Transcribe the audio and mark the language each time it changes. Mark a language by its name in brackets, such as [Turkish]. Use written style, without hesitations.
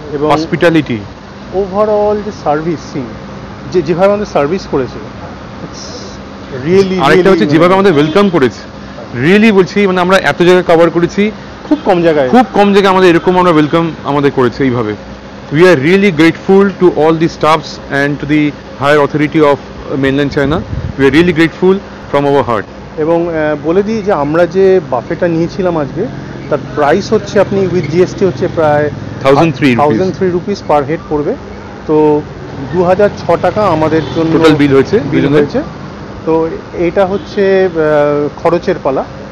[Bangla] এবং hospitality, overall যে servicing, যে যেভাবে আমাদের সার্ভিস করেছে, রিয়েলি আরেকটা হচ্ছে যেভাবে আমাদের ওয়েলকাম করেছে, রিয়েলি বলছি, মানে আমরা এত জায়গায় কভার করেছি, খুব কম জায়গায় আমাদের এরকম আমরা ওয়েলকাম আমাদের করেছে এইভাবে। [English] We are really grateful to all the staffs and to the higher authority of mainland China. We are really grateful from our heart. [Bangla] এবং বলে দিই যে আমরা যে বাফেটা নিয়েছিলাম আজকে, তার প্রাইস হচ্ছে আপনি উইথ জিএসটি হচ্ছে প্রায় [English] 1003 rupees [Bangla] পার হেড পড়বে। তো 2006 টাকা আমাদের জন্য টোটাল বিল হয়েছে, তো এটা হচ্ছে খরচের পালা।